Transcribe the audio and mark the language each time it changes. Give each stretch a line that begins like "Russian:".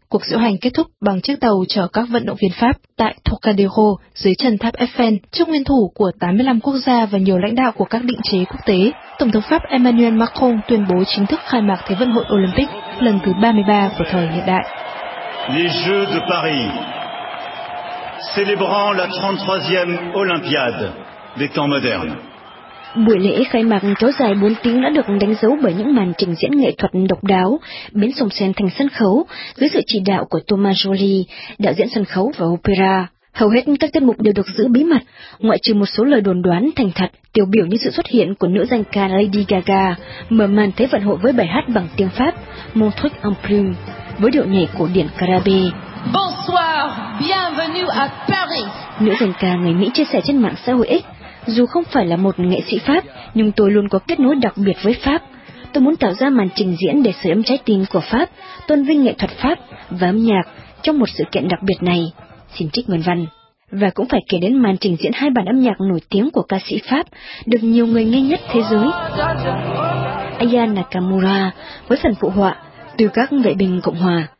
Vietnamese: Cuộc diễu hành kết thúc bằng chiếc tàu chở các vận động viên Pháp tại Trocadéro dưới chân tháp Eiffel, trước nguyên thủ của 85 quốc gia và nhiều lãnh đạo của các định chế quốc tế. Tổng thống Pháp Emmanuel Macron tuyên bố chính thức khai mạc Thế vận hội Olympic lần thứ 33 của thời hiện đại.
French: Les Jeux de Paris, célébrant la 33e Olympiade des temps modernes.
Vietnamese: Buổi lễ khai mạc kéo dài 4 tiếng đã được đánh dấu bởi những màn trình diễn nghệ thuật độc đáo, biến sông Seine thành sân khấu dưới sự chỉ đạo của Thomas Joly, đạo diễn sân khấu và opera. Hầu hết các tiết mục đều được giữ bí mật, ngoại trừ một số lời đồn đoán thành thật, tiêu biểu như sự xuất hiện của nữ danh ca Lady Gaga, mở màn Thế vận hội với bài hát bằng tiếng Pháp, Mon truc en plume, với điệu nhảy cổ điển Carabé.
French: Bonsoir, bienvenue à Paris.
Vietnamese: Nữ danh ca người Mỹ chia sẻ trên mạng xã hội X, dù không phải là một nghệ sĩ Pháp, nhưng tôi luôn có kết nối đặc biệt với Pháp. Tôi muốn tạo ra màn trình diễn để sưởi ấm trái tim của Pháp, tôn vinh nghệ thuật Pháp và âm nhạc trong một sự kiện đặc biệt này. Xin trích nguyên văn. Và cũng phải kể đến màn trình diễn hai bản âm nhạc nổi tiếng của ca sĩ Pháp được nhiều người nghe nhất thế giới, Aya Nakamura, với phần phụ họa từ các vệ binh Cộng hòa.